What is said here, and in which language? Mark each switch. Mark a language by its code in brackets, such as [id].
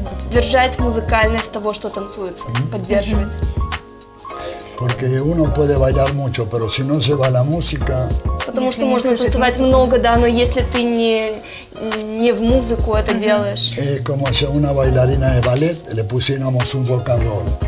[ru] Держать музыкальность того, что танцуется, поддерживать. [es] Porque uno puede bailar mucho, pero si no lleva la música. [ru] Потому что можно танцевать много, да, но если ты не в музыку это делаешь. [es] Es como si a una bailarina de ballet le pusiéramos un rock and roll.